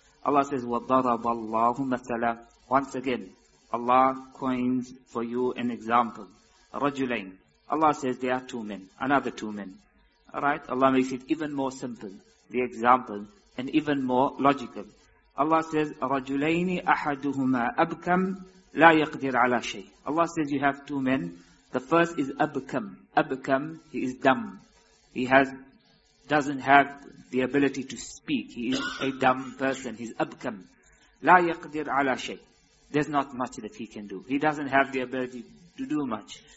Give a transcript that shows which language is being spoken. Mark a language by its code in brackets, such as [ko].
[en] Allah says, [ar] وَضَرَبَ اللَّهُ مَثَلًا. [en] Once again, Allah coins for you an example. [ar] رَجُلَيْن. [en] Allah says there are two men, another two men. Alright, Allah makes it even more simple, the example, and even more logical. Allah says, [ar] رَجُلَيْنِ أَحَدُهُمَا أَبْكَمْ لَا يَقْدِرْ عَلَى شَيْءٍ. [en] Allah says, you have two men. The first is أَبْكَمْ. أَبْكَمْ, he is dumb. He doesn't have the ability to speak. He is a dumb person. He's أَبْكَمْ. [ar] لَا يَقْدِرْ عَلَى شَيْءٍ. [en] There's not much that he can do. He doesn't have the ability to do much.